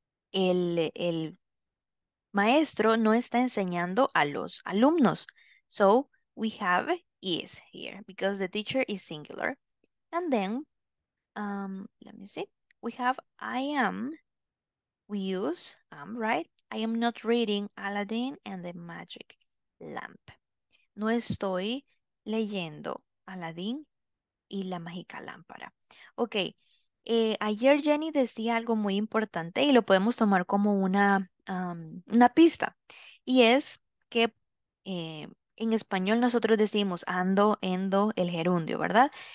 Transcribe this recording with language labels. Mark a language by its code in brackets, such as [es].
[es] El maestro no está enseñando a los alumnos. [en] So, we have is here because the teacher is singular. And then, let me see. We have I am. We use am, right? I am not reading Aladdin and the Magic Lamp. [es] No estoy leyendo Aladdin y la Mágica Lámpara. Ok, ayer Jenny decía algo muy importante y lo podemos tomar como una pista. Y es que en español nosotros decimos ando, endo, el gerundio, ¿verdad?